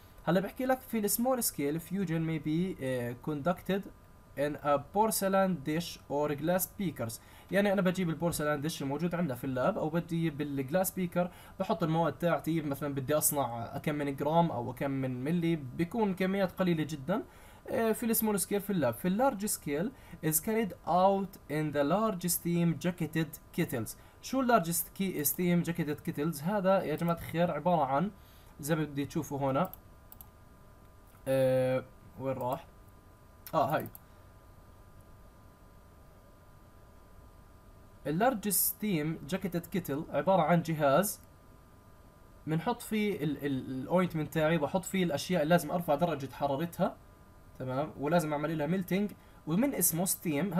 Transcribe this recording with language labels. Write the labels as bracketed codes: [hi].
[ar] هلا بحكي لك في [en] small scale fusion may be conducted in a porcelain dish or glass beakers. [ar] يعني انا بجيب البورسلان ديش الموجود عندنا في اللاب، او بدي بالجلاس بيكر بحط المواد تاعتي، مثلا بدي اصنع كم من جرام او كم من ملي، بيكون كميات قليله جدا في السمول سكيل في اللاب. في اللارج سكيل [en] is carried out in the large steam jacketed kettles. [ar] شو اللارج [en] steam jacketed kettles؟ [ar] هذا يا جماعة الخير عبارة عن زي ما بدي تشوفوا هنا وين راح؟ هاي اللارج [en] steam jacketed kettle [ar] عبارة عن جهاز بنحط فيه الاوينتمنت تاعي، بحط فيه الاشياء اللي لازم ارفع درجة حرارتها، تمام، ولازم اعمل لها ميلتنج، ومن اسمه ستيم.